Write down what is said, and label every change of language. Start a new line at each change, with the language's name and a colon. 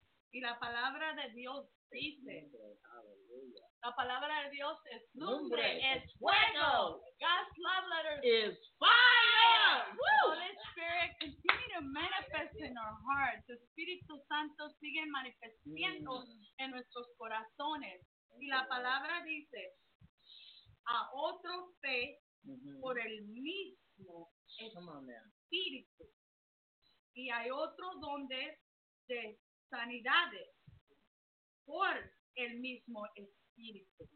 Spanish: Y la palabra de Dios dice: la palabra de Dios es lumbre, es fuego.
English: God's love letter is fire. The Holy Spirit continue to manifest in our hearts.
Spanish: El Espíritu Santo sigue manifestando en nuestros corazones. Y la palabra dice: a otro fe por el mismo. Espíritu. Y hay otro donde de sanidades por el mismo Espíritu.